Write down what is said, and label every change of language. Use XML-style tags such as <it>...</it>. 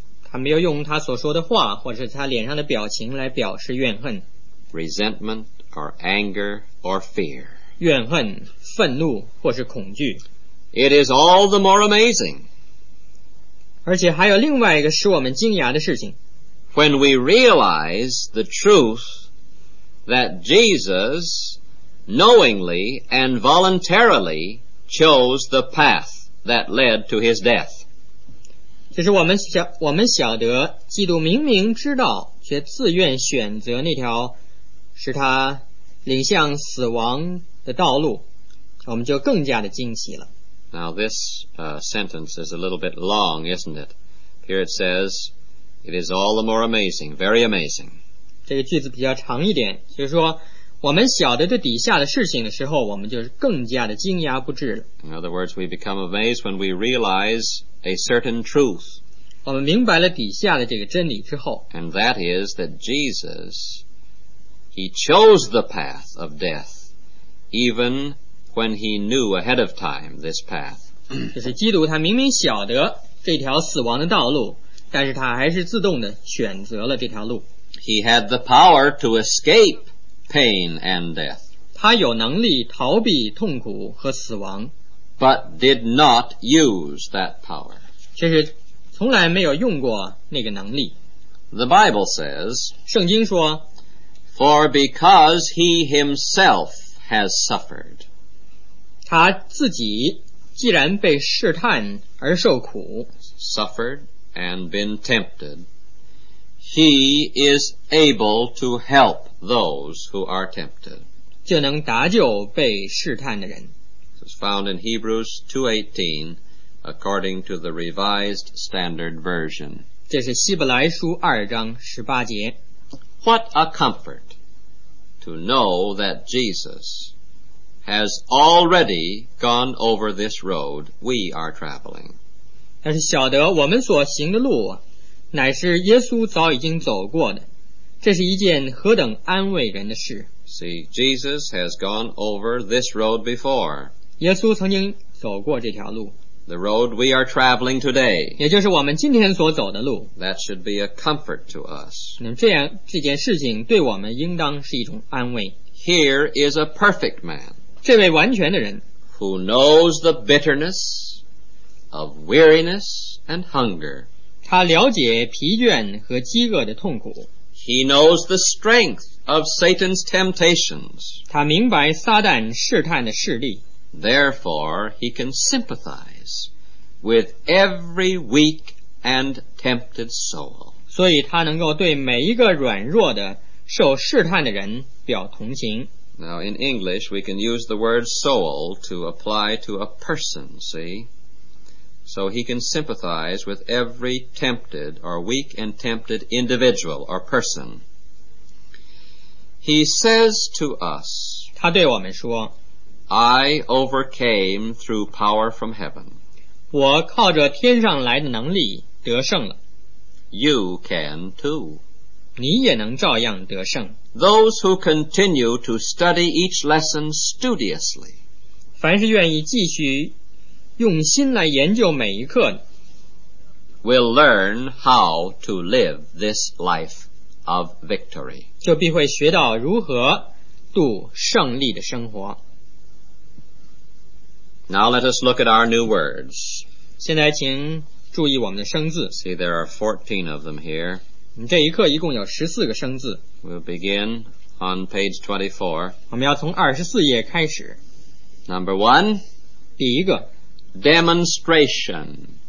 <zh>他没有用他所说的话或是他脸上的表情来表示怨恨。</zh> <en>Resentment or anger or fear.</en> <zh>怨恨、愤怒或是恐惧。</zh> <en>It is all the more amazing.</en> <zh>而且还有另外一个使我们惊讶的事情。</zh> <en>When we realize the truth that Jesus knowingly and voluntarily chose the path that led to his death.</en> <zh>就是我们晓得基督明明知道却自愿选择那条使他领向死亡的道路，我们就更加的惊奇了。</zh> <en>Now this, sentence is a little bit long, isn't it? Here it says, it is all the more amazing, very amazing.</en> <zh>这个句子比较长一点，就是说我们晓得这底下的事情的时候，我们就是更加的惊讶不至了。</zh> <en>In other words, we become amazed when we realize a certain truth.</en> <zh>我们明白了底下的这个真理之后。</zh> <en>And that is that Jesus, he chose the path of death, evenwhen he knew ahead of time this path.</en> <zh>就是基督他明明晓得这条死亡的道路，但是他还是自动的选择了这条路。</zh> <en>He had the power to escape pain and death.</en> <zh>他有能力逃避痛苦和死亡。</zh> <en>But did not use that power.</en> <zh>就是从来没有用过那个能力。</zh> <en>The Bible says,</en> <zh>圣经说,</zh> <en>For because he himself has suffered,</en> <zh>他自己既然被试探而受苦</zh> <en>suffered and been tempted, he is able to help those who are tempted.</en> <zh>就能搭救被试探的人。</zh> <en>It's found in Hebrews 2:18 according to the Revised Standard Version.</en> <zh>这是希伯来书二章十八节。</zh> <en>What a comfort to know that Jesus has already gone over this road we are traveling.</en> <zh>但是晓得我们所行的路乃是耶稣早已经走过的，这是一件何等安慰人的事。</zh> <en>See, Jesus has gone over this road before.</en> <zh>耶稣曾经走过这条路。</zh> <en>The road we are traveling today.</en> <zh>也就是我们今天所走的路。</zh> <en>That should be a comfort to us.</en> <zh>那这样，这件事情对我们应当是一种安慰。</zh> <en>Here is a perfect man.</en> <zh>这位完全的人</zh> <en>who knows the bitterness of weariness and hunger,</en> <zh>他了解疲倦和饥饿的痛苦。</zh> <en>He knows the strength of Satan's temptations,</en> <zh>他明白撒旦试探的势力。</zh> <en>Therefore, he can sympathize with every weak and tempted soul.</en> <zh>所以他能够对每一个软弱的受试探的人表同情。</zh> <en>Now, in English, we can use the word soul to apply to a person, see? So he can sympathize with every tempted or weak and tempted individual or person. He says to us,</en> <zh>他对我们说,</zh> <en>I overcame through power from heaven.</en> <zh>我靠着天上来的能力得胜了。</zh> <en>You can too.</en> <zh>你也能照样得胜。</zh> <en>Those who continue to study each lesson studiously.</en> <zh>凡是愿意继续用心来研究每一课,</zh> <en>will learn how to live this life of victory.</en> <zh>就必会学到如何度胜利的生活。</zh> <en>Now let us look at our new words.</en> <zh>现在请注意我们的生字。</zh> <en>See, there are 14 of them here.</en> <zh>这一课一共有14个生字。</zh> <en>We'll begin on page 24.</en> <zh>我们要从24页开始。</zh> <en>Number one.</en> <zh>第一个。</zh> <en>Demonstration.</en>